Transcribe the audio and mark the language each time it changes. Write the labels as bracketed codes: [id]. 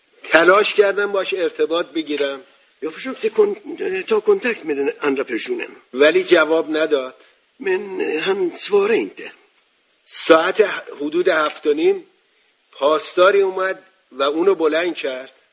[fa] تلاش کردم باش ارتباط بگیرم. [sv] Jag försökte ta kontakt med den andra personen. [fa] ولی جواب نداد. [sv] Men han svarade inte. [fa] ساعت حدود 7:30, پاسداری اومد و اونو بلند کرد.